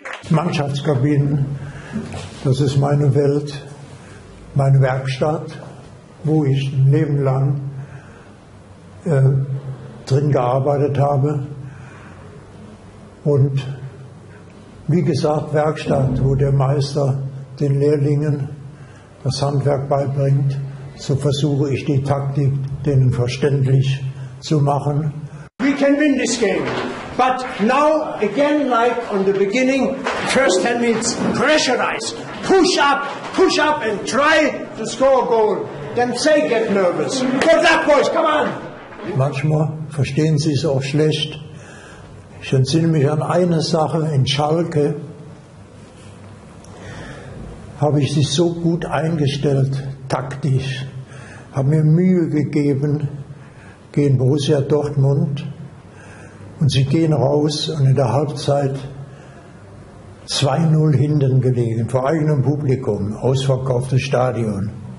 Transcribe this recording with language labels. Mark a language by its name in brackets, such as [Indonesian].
[German] Mannschaftskabinen, das ist meine Welt, meine Werkstatt, wo ich ein Leben lang drin gearbeitet habe. Und wie gesagt, Werkstatt, wo der Meister den Lehrlingen das Handwerk beibringt, so versuche ich die Taktik denen verständlich zu machen. [English] We can win this game, but now again like on the beginning, first 10 minutes pressurize, push up and try to score a goal, then say get nervous. Get that boys, come on! [German] Manchmal verstehen sie es auch schlecht. Ich entsinne mich an eine Sache, in Schalke habe ich sich so gut eingestellt, taktisch, habe mir Mühe gegeben gegen Borussia Dortmund und sie gehen raus und in der Halbzeit 2-0 hinten gelegen, vor eigenem Publikum, ausverkauftes Stadion.